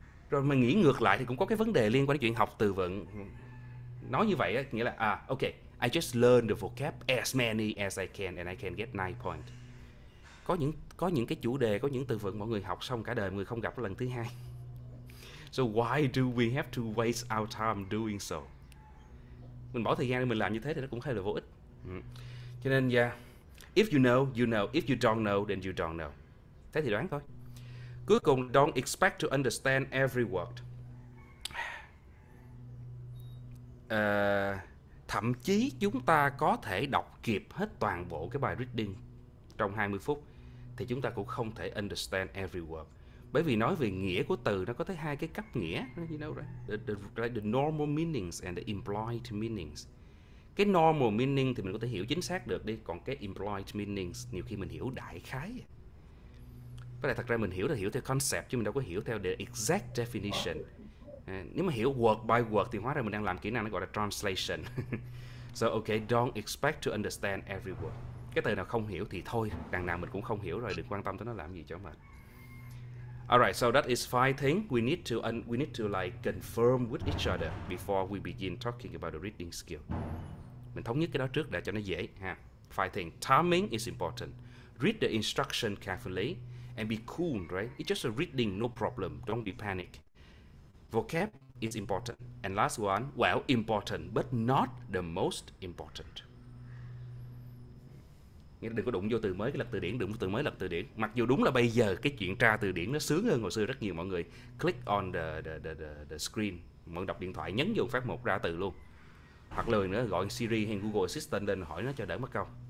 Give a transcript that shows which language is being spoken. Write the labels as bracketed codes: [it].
[vi] Rồi mình nghĩ ngược lại thì cũng có cái vấn đề liên quan đến chuyện học từ vựng. Nói như vậy á, nghĩa là ok, [en] I just learn the vocab as many as I can and I can get 9 points. [vi] Có những cái chủ đề, có những từ vựng mọi người học xong cả đời mọi người không gặp lần thứ hai. [en] So why do we have to waste our time doing so? [vi] Mình bỏ thời gian để mình làm như thế thì nó cũng hơi là vô ích. Cho nên [en] yeah, if you know, you know. If you don't know, then you don't know. [vi] Thế thì đoán thôi. Cuối cùng, [en] don't expect to understand every word. [vi] Thậm chí chúng ta có thể đọc kịp hết toàn bộ cái bài reading trong 20 phút thì chúng ta cũng không thể [en] understand every word. [vi] Bởi vì nói về nghĩa của từ nó có tới hai cái cấp nghĩa, [en] the normal meanings and the implied meanings. [vi] Cái normal meaning thì mình có thể hiểu chính xác được đi, còn cái implied meanings nhiều khi mình hiểu đại khái. Với lại thật ra mình hiểu là hiểu theo concept chứ mình đâu có hiểu theo [en] the exact definition. [vi] Nếu mà hiểu [en] word by word [vi] thì hóa ra mình đang làm kỹ năng nó gọi là translation. [en] So ok, don't expect to understand every word. [vi] Cái từ nào không hiểu thì thôi, đằng nào mình cũng không hiểu rồi, đừng quan tâm tới nó làm gì cho mệt. [en] Alright, so that is five things we need to like confirm with each other before we begin talking about the reading skill. [vi] Mình thống nhất cái đó trước để cho nó dễ ha. [en] Five things: timing is important. Read the instruction carefully and be cool, right? It's just a reading, no problem. Don't be panic. Vocab is important. And last one, well, important but not the most important. [vi] Nghĩa là đừng có đụng vô từ mới cái lật từ điển, đụng vô từ mới lật từ điển. Mặc dù đúng là bây giờ cái chuyện tra từ điển nó sướng hơn hồi xưa rất nhiều mọi người. [en] Click on the screen, [vi] mở đọc điện thoại, nhấn vô phát một ra từ luôn. Hoặc lười nữa gọi Siri hay Google Assistant lên hỏi nó cho đỡ mất công.